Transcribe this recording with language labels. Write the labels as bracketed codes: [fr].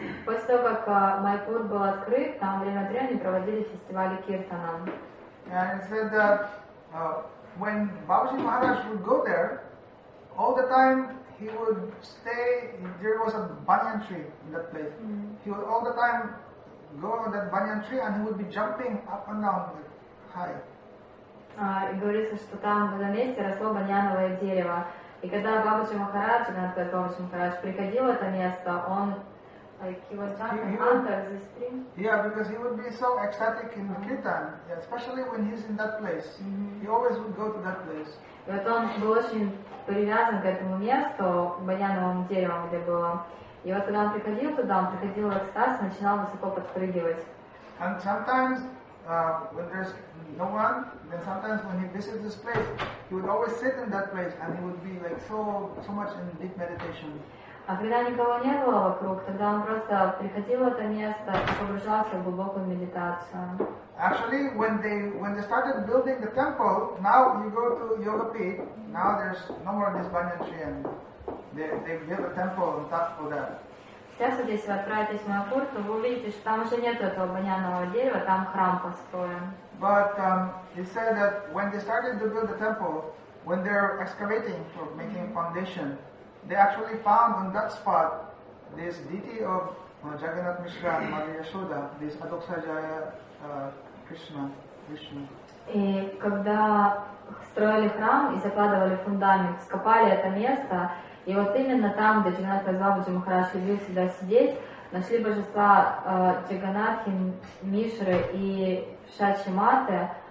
[ru] После того как Майпур был открыт, там время от времени проводили фестивали Киртана. [en] And it said that when Бабаджи Махарадж would go there, all the time he would stay, there was a banyan tree in that place. Mm-hmm. He would all the time go on that banyan tree and he would be jumping up and down like high. [ru] И говорится, что там в этом месте росло баньяновое дерево. И когда Бабаджи Махарадж, приходил в это место, он [en] like he was jumping under this tree. Yeah, because he would be so ecstatic in Kirtan, yeah, especially when he's in that place. Mm-hmm. He always would go to that place. [ru] И вот он был очень привязан к этому месту, баньяновым деревом, где было. И вот когда он приходил в экстаз, начинал высоко подпрыгивать. [en] And sometimes when there's no one, then sometimes when he visits this place, he would always sit in that place and he would be like so much in deep meditation. [ru] А когда никого не было вокруг, тогда он просто приходил в это место и погружался в глубокую медитацию. [en] Actually, when they started building the temple, now you go to Yoga Peak, now there's no more this banyan tree and they built a temple on top of that. [ru] Сейчас, вот если вы отправитесь в Майпур, то вы увидите, что там уже нет этого баньянового дерева, там храм построен. [en] But he said that when they started to build the temple, when they're excavating for making foundation, they actually found on that spot this deity of Jagannath Mishra, Mother Yashoda, this Adoksajaya Krishna, Vishnu. [ru] И когда строили храм и закладывали фундамент, скопали это место, и вот именно там, где Джаганат назвал Бабаджи Махарадж, любил всегда сидеть, нашли божества Джаганатхи, Мишры и Шачи Маты